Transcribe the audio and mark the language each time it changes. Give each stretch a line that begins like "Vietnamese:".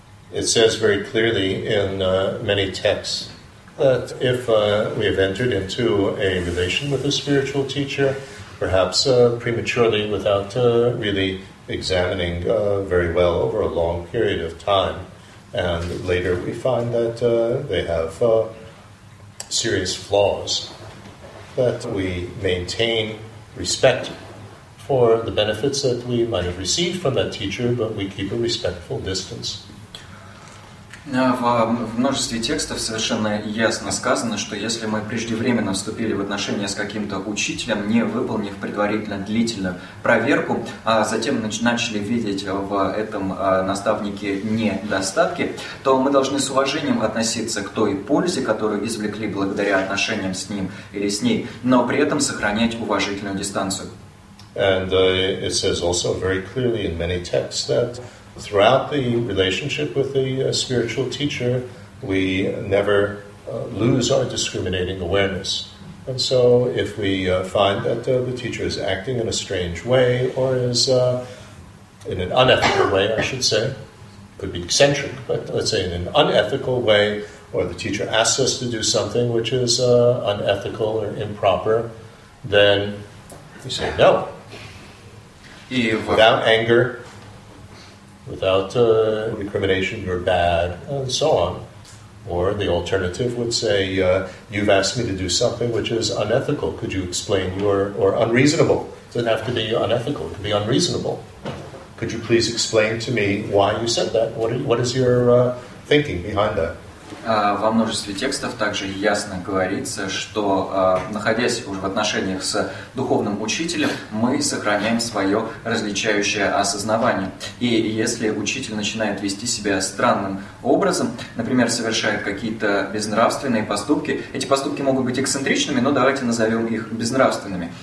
English: It says very clearly in many texts that if we have entered into a relation with a spiritual teacher, perhaps prematurely, without really examining very well over a long period of time, and later we find that they have serious flaws, that we maintain respect for the benefits that we might have received from that teacher, but we keep a respectful distance.
Russian: В множестве текстов совершенно ясно сказано, что если мы преждевременно вступили в отношения с каким-то учителем, не выполнив предварительно длительную проверку, а затем начали видеть в этом наставнике недостатки, то мы должны с уважением относиться к той пользе, которую извлекли благодаря отношениям с ним или с ней, но при этом сохранять уважительную дистанцию.
English: And it says also very clearly in many texts that throughout the relationship with the spiritual teacher, we never lose our discriminating awareness. And so if we find that the teacher is acting in a strange way or is in an unethical way, I should say, could be eccentric, but let's say in an unethical way, or the teacher asks us to do something which is unethical or improper, then we say no. Without anger, without recrimination, you're bad, and so on. Or the alternative would say, you've asked me to do something which is unethical. Could you explain your, or unreasonable? It doesn't have to be unethical, it could be unreasonable. Could you please explain to me why you said that? What is your thinking behind that?
Russian: Во множестве текстов также ясно говорится, что находясь уже в отношениях с духовным учителем, мы сохраняем свое различающее осознавание. И если учитель начинает вести себя странным образом, например, совершает какие-то безнравственные поступки, эти поступки могут быть эксцентричными, но давайте назовем их безнравственными.